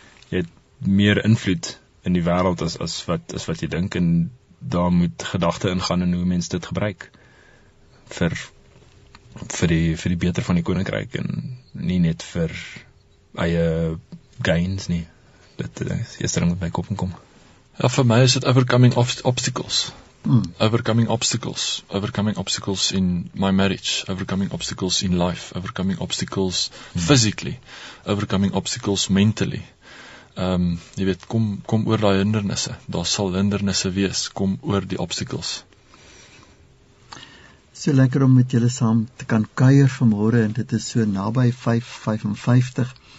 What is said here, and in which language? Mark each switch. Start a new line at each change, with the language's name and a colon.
Afrikaans: Jy het meer invloed in die wêreld as wat jy dink, en daar moet gedagte ingaan in hoe mens dit gebruik vir die beter van die koninkryk, en nie net vir eie gains nie. Dit is die eerste ding wat my kop inkom. Ja, vir my is het
English: overcoming obstacles in my marriage, overcoming obstacles in life, overcoming obstacles physically, overcoming obstacles mentally.
Afrikaans: Jy weet, kom oor die hindernisse, daar sal hindernisse wees, kom oor die obstacles. So lekker om met julle saam te kan kuier vanmôre, en dit is so naby 5:55.